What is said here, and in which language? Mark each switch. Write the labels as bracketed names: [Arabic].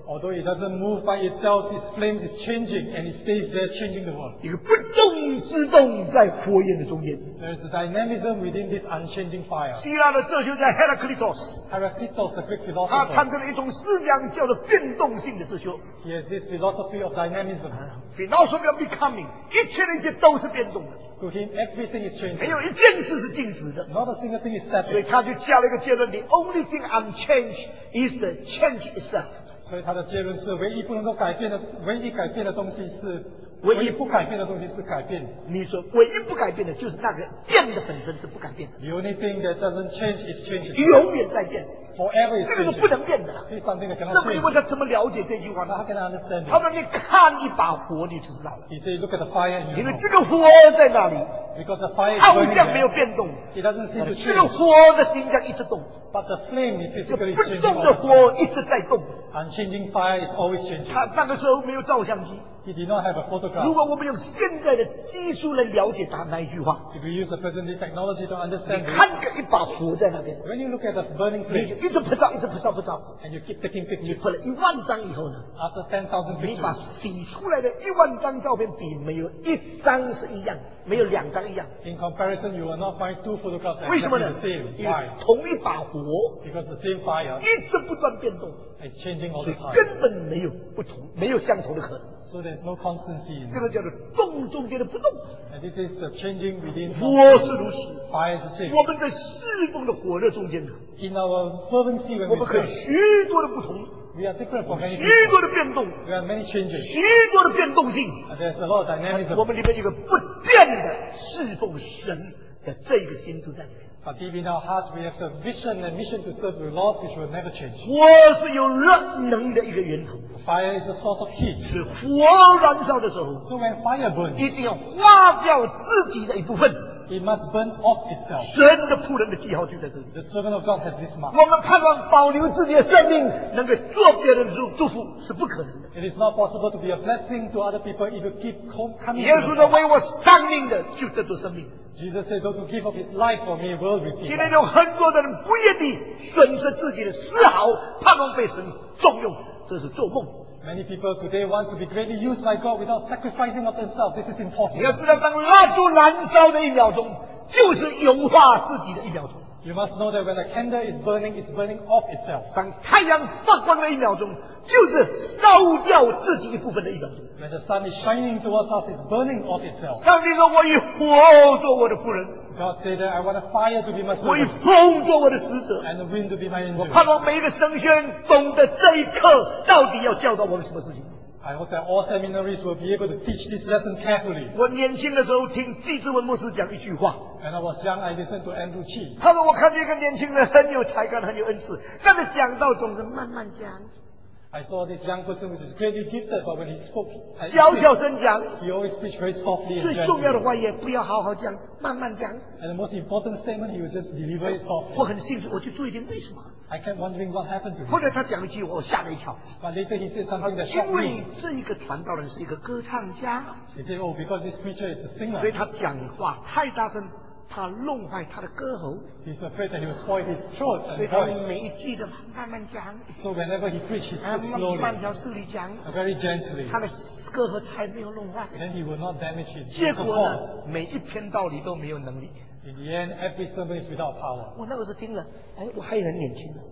[English] Although it doesn't move by itself, its flame is changing and it stays there changing the world. [Chinese] 一个不动之动在火焰的中间。 [English] There is a dynamism within this unchanging fire. [Chinese] 希腊的哲学家 Heraclitus, [English] Heraclitus the Greek philosopher, [Chinese] 他产生了一种思想叫做变动性的哲学。 [English] He has this philosophy of dynamism. Philosophy of becoming, [Chinese] 一切的一切都是变动的。 [English] To him, everything is changing. [Chinese] 没有一件事是静止的。 [English] Not a single thing is static. [Chinese] 所以他就加了一个结论, [English] the only thing unchanged is the change itself. [Chinese] 所以他的结论是, 唯一不能够改变的, 唯一改变的东西是, 唯一不改变的东西是改变。你说唯一不改变的就是那个变的本身是不改变的。 [English] The only thing that doesn't change is change. [Chinese] 永远在变。 [English] Forever is changing. This is something that cannot change. [Chinese] 那么你问他, [English] how can I understand this? [Chinese] 他说你看一把火你就知道了。 [English] He said, look at the fire and you know. [Chinese] 因为这个火在哪里? [English] Because the fire is burning there. [Chinese] 好像没有变动。 [English] It doesn't seem to change. [Chinese] 这个火的心脏一直动。 [English] But the flame is physically changing. [Chinese] 不动的火一直在动。 [English] Unchanging fire is always changing. [Chinese] 他那个时候没有照相机。 [English] He did not have a photograph. [Chinese] 如果我们用现在的技术来了解他那一句话， [English] If we use the present day technology to understand, [Chinese] 你看着一把火在那边， [English] When you look at the burning flame, [Chinese] 你一直拍照，一直拍照，拍照， [English] And you keep taking pictures. [Chinese] 你拍了一万张以后呢？ [English] After 10,000 pictures, [Chinese] 你把洗出来的一万张照片比没有一张是一样，没有两张一样。 [English] In comparison, you will not find two photographs that [Chinese] 为什么呢？因为同一把火， [English] Because the same fire, [Chinese] 一直不断变动。 [English] It's changing all the time. [Chinese] 所以根本没有不同，没有相同的可能。 [English] So there's no constancy. [Chinese] 这个叫做动中间的不动。 [English] And this is the changing within. [Chinese] 火是如此。 [English] Fire is the same. [Chinese] 我们在侍奉的火热中间的。 [English] In our fervency, when we pray, [Chinese] 我们可以许多的不同。 [English] We are different from many people. [Chinese] 许多的变动。 [English] We have many changes. [Chinese] 许多的变动性。 [English] There's a lot of dynamism. [Chinese] 我们里面有一个不变的侍奉神的这个心志在。 [English] But deep in our hearts, we have the vision and mission to serve the Lord, which will never change. [Chinese] 火是有热能的一个源头。 [English] Fire is a source of heat. [Chinese] 是火燃烧的时候。 [English] So when fire burns, [Chinese] 一定要化掉自己的一部分。 [English] It must burn off itself. [Chinese] 神的仆人的记号就在这里。 [English] The servant of God has this mark. [Chinese] 我们盼望保留自己的生命，能够做别人的祝福，是不可能的。 [English] It is not possible to be a blessing to other people if you keep coming. [Chinese] 耶稣的为我生命的，就得到生命。 [English] Jesus said, "Those who give up his life for me will receive." [Chinese] 现在有很多的人不愿意损失自己的丝毫，盼望被神重用，这是做梦。 [English] Many people today want to be greatly used by God without sacrificing of themselves. This is impossible. [Chinese] 你要知道，当蜡烛燃烧的一秒钟，就是融化自己的一秒钟。 [English] You must know that when a candle is burning, it's burning off itself. [Chinese] 当太阳发光的一秒钟，就是烧掉自己一部分的一秒钟。 [English] When the sun is shining towards us, it's burning off itself. [Chinese] 上帝说：“我以火做我的仆人。” [English] God said that I want a fire to be my servant. [Chinese] 我以风做我的使者。 [English] And the wind to be my angel. [Chinese] 我盼望每一个神学院懂得这一刻到底要教导我们什么事情。 [English] I hope that all seminaries will be able to teach this lesson carefully. [Chinese] 我年轻的时候听季志文牧师讲一句话。 [English] When I was young, I listened to Andrew Chi. [Chinese] 他说我看见一个年轻人很有才干，很有恩赐，但是讲道总是慢慢讲。 [English] I saw this young person who is greatly gifted, but when he spoke, [Chinese] 小小声讲。 [English] He always speaks very softly. [Chinese] 最重要的话也不要好好讲，慢慢讲。 [English] And the most important statement, he would just deliver it softly. [Chinese] 我很兴奋，我就注意听，为什么？ [English] I kept wondering what happened to him. [Chinese] 后来他讲了一句，我吓了一跳。 [English] But later he said something that shocked me. [Chinese] 因为这一个传道人是一个歌唱家。 [English] He said, "Oh, because this preacher is a singer." [Chinese] 所以他讲话太大声，他弄坏他的歌喉。 [English] He's afraid that he will spoil his throat and voice. [Chinese] 所以他每一句都慢慢讲。 [English] So whenever he preached, he spoke slowly. [Chinese] 慢条斯理讲。 [English] Very gently. [Chinese] 他的歌喉才没有弄坏。 [English] Then he will not damage his voice. [Chinese] 结果呢，每一篇道理都没有能力。 [English] In the end, every sermon is without power. [Chinese] 我那个时候听了，哎，我还很年轻呢。